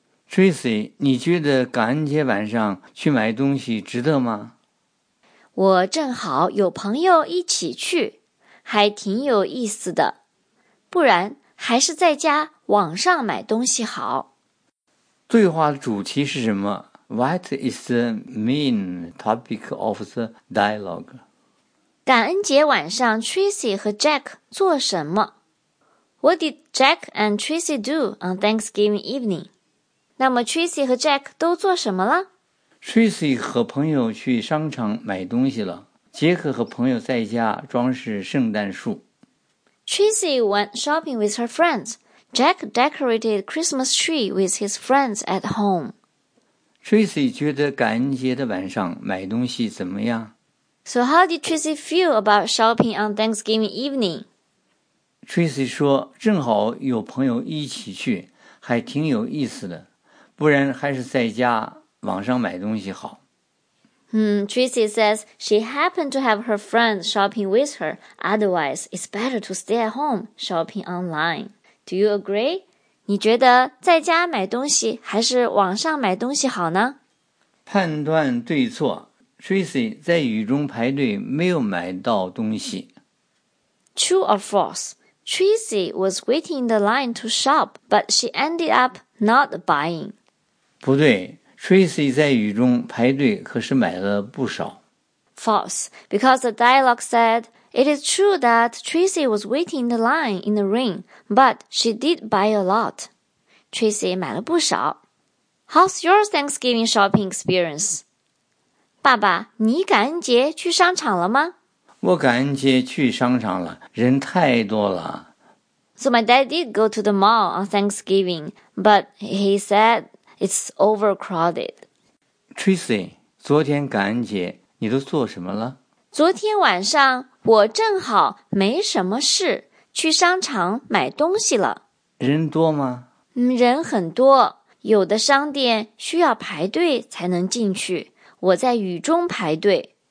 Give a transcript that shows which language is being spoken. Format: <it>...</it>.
<zh>Tracy, 你觉得感恩节晚上去买东西值得吗？我正好有朋友一起去，还挺有意思的。不然还是在家网上买东西好。对话的主题是什么？</zh> <en>What is the main topic of the dialogue?</en> <zh>感恩节晚上 Tracy 和 Jack 做什么？</zh> <en>What did Jack and Tracy do on Thanksgiving evening?</en> <zh>那么 Tracy 和 Jack 都做什么了？ Tracy 和朋友去商场买东西了。杰克和朋友在家装饰圣诞树。</zh> <en>Tracy went shopping with her friends. Jack decorated Christmas tree with his friends at home.</en> <zh>Tracy 觉得感恩节的晚上买东西怎么样？</zh> <en>So how did Tracy feel about shopping on Thanksgiving evening?</en> <zh>Tracy 说正好有朋友一起去，还挺有意思的。不然还是在家网上买东西好。</zh> <en>Tracy says she happened to have her friends shopping with her. Otherwise, it's better to stay at home shopping online. Do you agree?</en> <zh>你觉得在家买东西还是网上买东西好呢？判断对错， Tracy 在雨中排队没有买到东西。</zh> <en>True or false? Tracy was waiting in the line to shop, but she ended up not buying.</en> <zh>不对， Tracy 在雨中排队可是买了不少。</zh> <en>False, because the dialogue said, it is true that Tracy was waiting in the line in the rain, but she did buy a lot. Tracy</en> <zh>买了不少。</zh> <en>How's your Thanksgiving shopping experience?</en> <zh>爸爸，你感恩节去商场了吗？我感恩节去商场了，人太多了。</zh> <en>So my dad did go to the mall on Thanksgiving, but he said,It's overcrowded.</en> <zh>Tracy, 昨天感恩节，你都做什么了？昨天晚上，我正好没什么事，去商场买东西了。人多吗？人很多，有的商店需要排队才能进去，我在雨中排队。</zh>